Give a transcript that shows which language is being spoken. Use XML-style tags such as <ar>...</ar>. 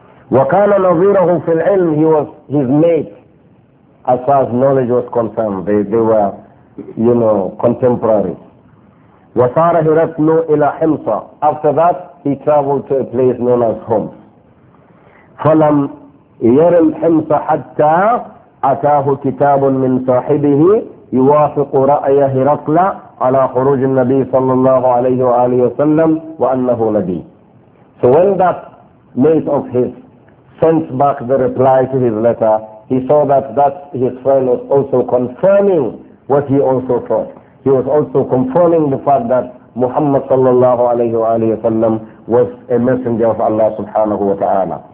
<ar>وَكَانَ نَظِيرَهُ فِي الْعِلْمِ.</ar> <en>He was his mate as far as knowledge was concerned. They were, you know, contemporaries.</en> <ar>وصار هرقل إلى حمص.</ar> <en>After that, he traveled to a place known as Homs.</en> <ar>فلم ير الحمص حتى أتاه كتاب من صاحبه يوافق رأي هرقل على خروج النبي صلى الله عليه وآله وسلم وأنه نبي.</ar> <en>So when that mate of his sent back the reply to his letter, he saw that his friend was also confirming what he also thought. He was also confirming the fact that Muhammad sallallahu alayhi wa alayhi wa sallam was a messenger of Allah subhanahu wa ta'ala.</en>